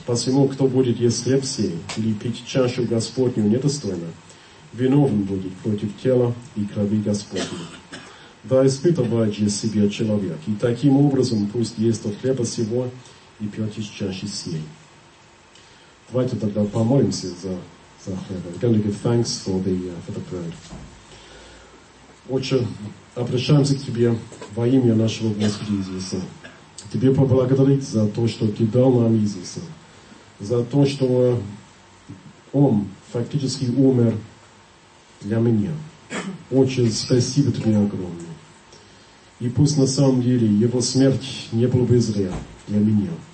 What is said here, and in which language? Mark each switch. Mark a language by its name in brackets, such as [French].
[Russian] Посему, кто будет есть хлеб сей или пить чашу Господню недостойно, виновен будет против тела и крови Господней. Да испытывает же себя человек, и таким образом пусть ест от хлеба сего и пьет из чаши сей. Давайте тогда помолимся за хлеб. [English] We're going to give thanks for the bread. [Russian] Отче, обращаемся к Тебе во имя нашего Господа Иисуса. Тебе поблагодарить за то, что Ты дал нам Иисуса. За то, что Он фактически умер для меня. Отче, спасибо Тебе огромное. И пусть на самом деле Его смерть не была бы зря для меня.